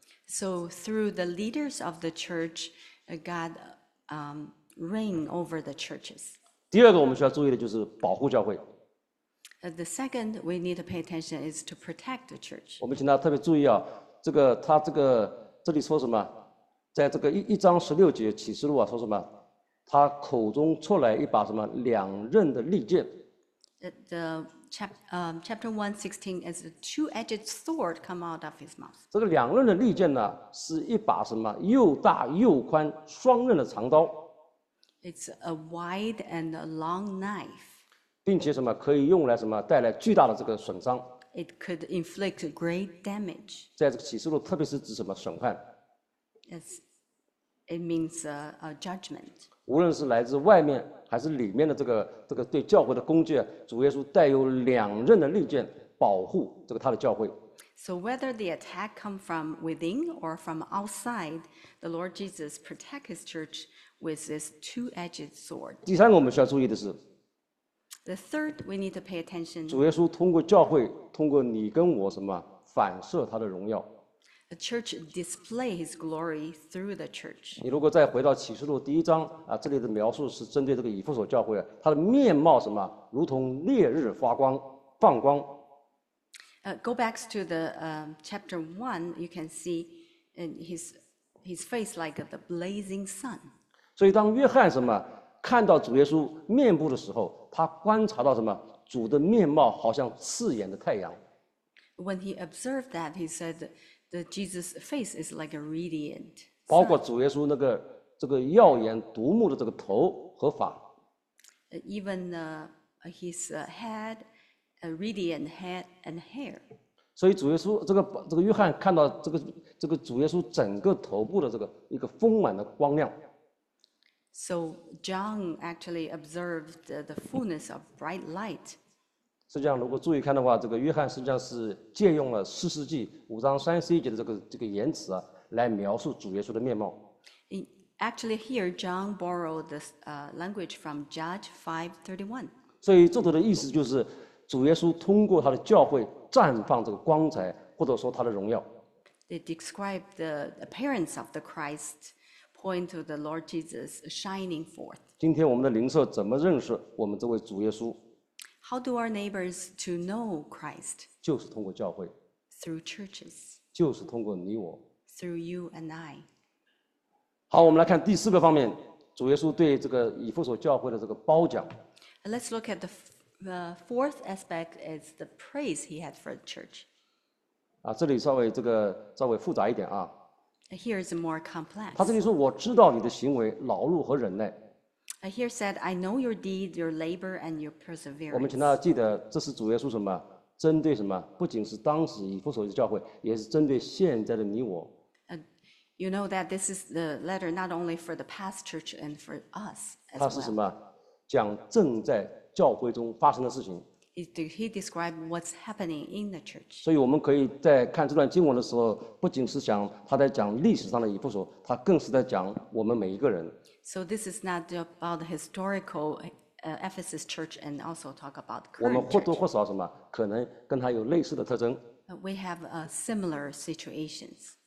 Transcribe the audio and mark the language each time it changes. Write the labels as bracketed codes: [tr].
[en] So through the leaders of the church, God reign over the churches. [zh] 第二个我们需要注意的就是保护教会。 [en] The second we need to pay attention is to protect the church. [zh] 我们请大家特别注意啊，这个他这个这里说什么？在这个一章十六节启示录啊，说什么？他口中出来一把什么两刃的利剑。 [en] The chapter 1:16 is a two-edged sword come out of his mouth. [zh] 这个两刃的利剑呢，是一把什么又大又宽双刃的长刀。 [en] It's a wide and a long knife. [zh] 并且什么可以用来什么带来巨大的这个损伤。 [en] It could inflict great damage. [zh] 在这个启示录，特别是指什么审判。 [en] It means a judgment. [zh] 无论是来自外面还是里面的这个对教会的攻击，主耶稣带有两刃的利剑保护这个他的教会。 [en] So whether the attack come from within or from outside, the Lord Jesus protect his church with this two-edged sword. [zh] 第三个我们需要注意的是 [en] ，The third we need to pay attention. [zh] 主耶稣通过教会，通过你跟我什么反射他的荣耀。 [en] The church display his glory through the church. [zh] 你如果再回到启示录第一章啊，这里的描述是针对这个以弗所教会啊，它的面貌什么，如同烈日发光，放光。 [en] Go back to the chapter one, you can see in his face like the blazing sun. [zh] 所以当约翰什么看到主耶稣面部的时候，他观察到什么，主的面貌好像刺眼的太阳。 [en] When he observed that, he said. The Jesus face is like a radiant. [zh] 包括主耶稣那个这个耀眼夺目的这个头和发。 [en] Even his head, a radiant head and hair. [zh] 所以主耶稣这个约翰看到这个主耶稣整个头部的这个一个丰满的光亮。 [en] So John actually observed the fullness of bright light. [zh] 实际上，如果注意看的话，这个约翰实际上是借用了四世纪五章三十一节的这个言辞啊，来描述主耶稣的面貌。 [en] Actually, here John borrowed this language from Judges 5:31. [zh] 所以这里的意思就是，主耶稣通过他的教会绽放这个光彩，或者说他的荣耀。 [en] They describe the appearance of the Christ, point to the Lord Jesus shining forth. [zh] 今天我们的邻舍怎么认识我们这位主耶稣？ [en] How do our neighbors to know Christ? [zh] 就是通过教会。 [en] Through churches. [zh] 就是通过你我。 [en] Through you and I. [zh] 好，我们来看第四个方面，主耶稣对这个以弗所教会的这个褒奖。 [en] Let's look at the fourth aspect is the praise he had for the church. [zh] 啊，这里稍微这个稍微复杂一点啊。 [en] Here is more complex. [zh] 他这里说，我知道你的行为、劳碌和忍耐。 [en] Here said, I know your deed, your labor, and your perseverance. [zh] 我们请大家记得，这是主耶稣什么？针对什么？不仅是当时以弗所的教会，也是针对现在的你我。 [en] You know that this is the letter not only for the past church and for us as well. [zh] 他是什么？讲正在教会中发生的事情。 [en] He described what's happening in the church. [zh] 所以我们可以在看这段经文的时候，不仅是讲他在讲历史上的以弗所，他更是在讲我们每一个人。 [en] So this is not about the historical Ephesus church and also talk about current. [zh] 我们或多或少什么，可能跟他有类似的特征。 [en] We have similar situations.